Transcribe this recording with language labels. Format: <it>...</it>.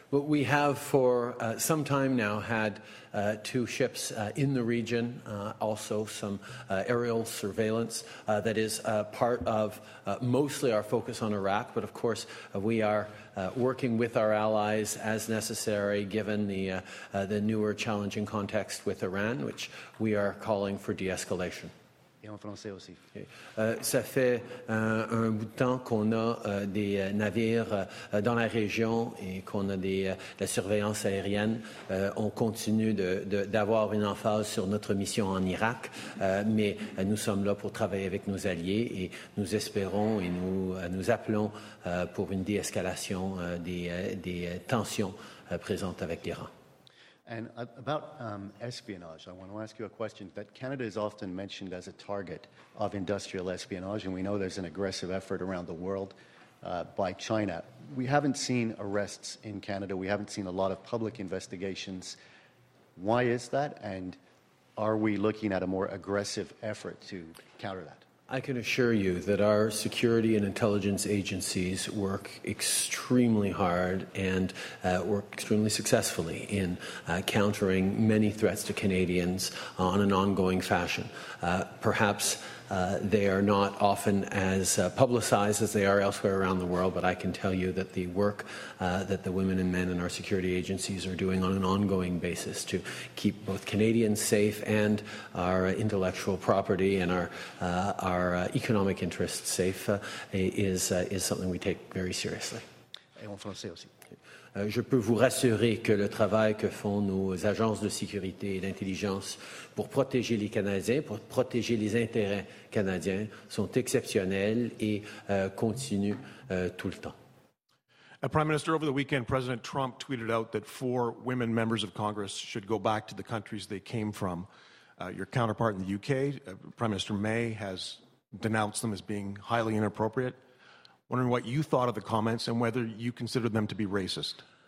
<en>Well, we have for some time now had two ships in the region, also some aerial surveillance that is part of mostly our focus on Iraq. But, of course, we are working with our allies as necessary, given the newer challenging context with Iran, which we are calling for de-escalation.</en> <fr>Et en français aussi. Ça fait un bout de temps qu'on a des navires dans la région et qu'on a la surveillance aérienne. On continue d'avoir une emphase sur notre mission en Irak, mais nous sommes là pour travailler avec nos alliés et nous espérons et nous appelons pour une déescalation des tensions présentes avec l'Iran.</fr> <en>And about espionage, I want to ask you a question. That Canada is often mentioned as a target of industrial espionage, and we know there's an aggressive effort around the world by China. We haven't seen arrests in Canada. We haven't seen a lot of public investigations. Why is that? And are we looking at a more aggressive effort to counter that? I can assure you that our security and intelligence agencies work extremely hard and work extremely successfully in countering many threats to Canadians on an ongoing fashion. Perhaps they are not often as publicized as they are elsewhere around the world, but I can tell you that the work that the women and men in our security agencies are doing on an ongoing basis to keep both Canadians safe and our intellectual property and our economic interests safe is something we take very seriously.</en> <fr>Et en français aussi. Je peux vous rassurer que le travail que font nos agences de sécurité et d'intelligence pour protéger les Canadiens, pour protéger les intérêts canadiens, sont exceptionnels et continuent tout le temps.</fr> <en>Prime Minister, over the weekend, President Trump tweeted out that four women members of Congress should go back to the countries they came from. Your counterpart in the UK, Prime Minister May, has denounced them as being highly inappropriate. Wondering what you thought of the comments and whether you considered them to be racist.</en>